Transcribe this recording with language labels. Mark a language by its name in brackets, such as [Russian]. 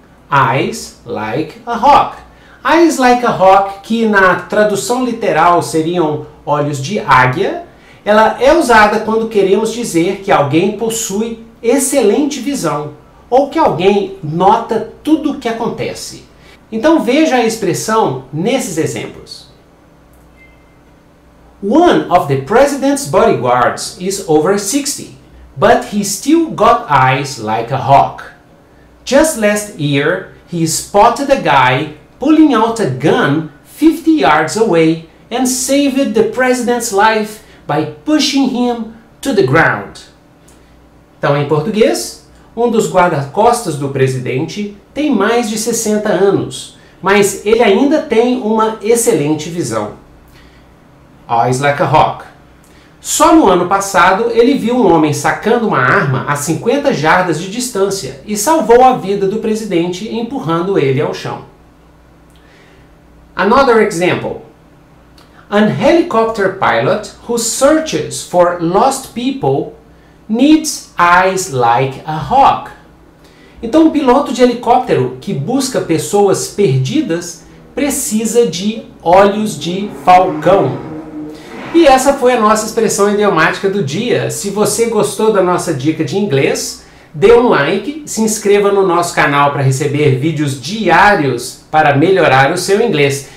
[English] Eyes like a hawk. [Portuguese] Eyes like a hawk, que na tradução literal seriam olhos de águia, ela é usada quando queremos dizer que alguém possui excelente visão ou que alguém nota tudo o que acontece. Então veja a expressão nesses exemplos. [English] One of the president's bodyguards is over 60, but he still got eyes like a hawk. Just last year, he spotted a guy pulling out a gun 50 yards away and saved the president's life by pushing him to the ground. [Portuguese] Então, em português, um dos guarda-costas do presidente tem mais de 60 anos, mas ele ainda tem uma excelente visão. [English] Eyes like a hawk. [Portuguese] Só no ano passado, ele viu um homem sacando uma arma a 50 jardas de distância e salvou a vida do presidente empurrando ele ao chão. [English] Another example. An helicopter pilot who searches for lost people needs eyes like a hawk. [Portuguese] Então, um piloto de helicóptero que busca pessoas perdidas precisa de olhos de falcão. E essa foi a nossa expressão idiomática do dia. Se você gostou da nossa dica de inglês, dê um like, se inscreva no nosso canal para receber vídeos diários para melhorar o seu inglês.